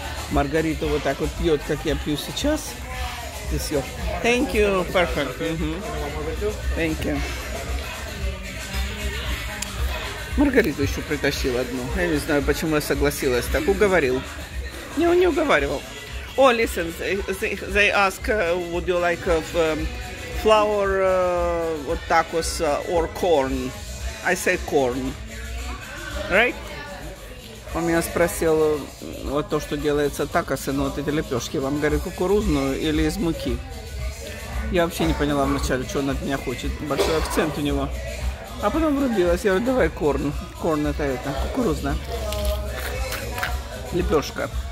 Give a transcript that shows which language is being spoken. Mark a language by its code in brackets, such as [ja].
[ru] Маргариту вот так вот пьет, как я пью сейчас. И все. [en] Thank you. Perfect. Thank you. [ru] Маргариту еще притащил одну. Я не знаю, почему я согласилась. Так уговорил. Не, он не уговаривал. [en] Oh, listen, they ask, would you like flour, [ru] вот [en] tacos, or corn? I say corn. Right? [ru] Он меня спросил, вот то, что делается такосы, ну вот эти лепешки, вам, говорит, кукурузную или из муки? Я вообще не поняла вначале, что он от меня хочет. Большой акцент у него. А потом врубилась, я говорю, давай корн. Корн это кукурузная. Лепешка.